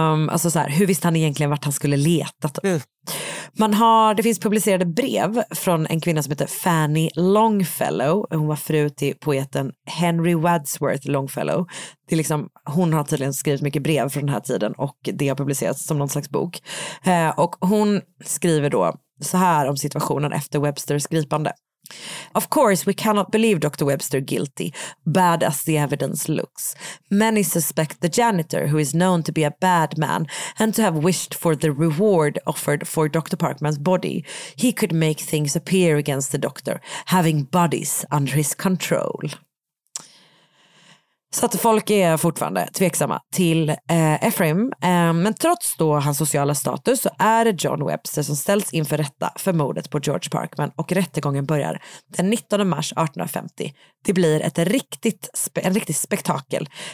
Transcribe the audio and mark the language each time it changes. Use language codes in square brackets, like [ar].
[sv] Alltså så här, hur visste han egentligen vart han skulle leta? Det finns publicerade brev från en kvinna som heter Fanny Longfellow. Hon var fru till poeten Henry Wadsworth Longfellow. Det är liksom, hon har tydligen skrivit mycket brev från den här tiden och det har publicerats som någon slags bok. Och hon skriver då så här om situationen efter Websters gripande. [en] Of course, we cannot believe Dr. Webster guilty, bad as the evidence looks. Many suspect the janitor, who is known to be a bad man, and to have wished for the reward offered for Dr. Parkman's body. He could make things appear against the doctor, having bodies under his control. [sv] Så att folk är fortfarande tveksamma till Ephraim. Men trots då hans sociala status så är det John Webster som ställs inför rätta för mordet på George Parkman. Och rättegången börjar den 19 mars 1850. Det blir en riktigt spektakel.